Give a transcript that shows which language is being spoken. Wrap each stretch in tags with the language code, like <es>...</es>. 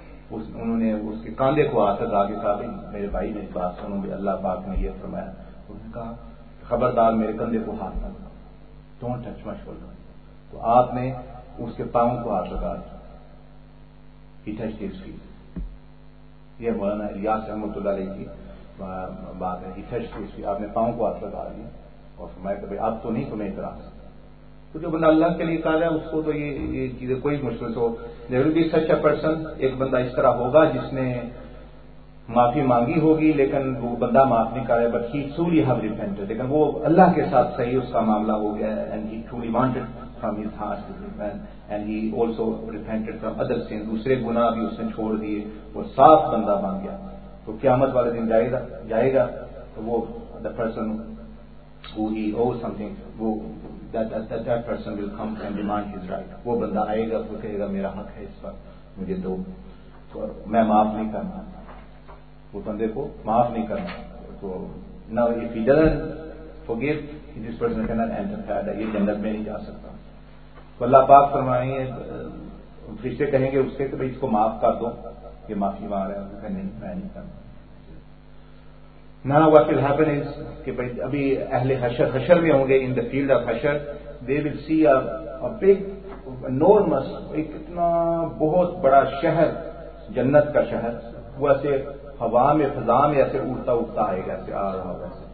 <ur>Unhone uske kaande ko aakar aage kaha ki mere bhai ne baat suno, bhi Allah paak ne ye farmaya, unhone kaha khabardar mere kandhe ko haath na, don't touch my shoulder. To aapne uske paon ko aakar aage kaha, he touched his feet. Ye Maulana Ilyas Ahmadullah Ali ki baat hai, he touched his feet, aapne paon ko aakar aage kaha اور فرمایا کہ بھائی اب تو نہیں تمہیں اعتراض. تو جو بندہ اللہ کے لیے کہہ رہا ہے اس کو تو یہ چیزیں کوئی مشکل سے ہو. دیر will be such a person, ایک بندہ اس طرح ہوگا جس نے معافی مانگی ہوگی لیکن وہ بندہ معاف نہیں کر رہا ہے, بٹ ہی ٹرولی ہیو ریپینٹڈ, لیکن وہ اللہ کے ساتھ صحیح اس کا معاملہ ہو گیا and he truly wanted from his heart to repent and he also ریپینٹڈ from other سین, دوسرے گناہ بھی اس نے چھوڑ دیے, وہ صاف بندہ بن گیا.</ur> <en>تو قیامت والے دن جائے گا تو وہ the person who he owes something, that person will come and demand his right.</en> <ur>وہ بندہ آئے گا وہ کہے گا میرا حق ہے اس پر مجھے دو, میں معاف نہیں کرنا, وہ بندے کو معاف نہیں کرنا.</ur> <en>تو now if he doesn't forgive, this person cannot enter paradise, یہ جنت میں نہیں جا سکتا.</en> <ur>تو اللہ پاک فرمائیں گے, فرشتے کہیں گے اس سے کہ بھائی اس کو معاف کر دو, یہ معافی مانگ رہا ہے, نہیں میں نہیں کرنا. Now what will happen is کہ ابھی اہل حشر میں ہوں گے, in the field of حشر they will see a big enormous, ایک اتنا بہت بڑا شہر, جنت کا شہر, وہ ایسے ہوا میں فضا میں ایسے اڑتا اڑتا آئے گا, ایسے آ رہا ہوگا,</ur>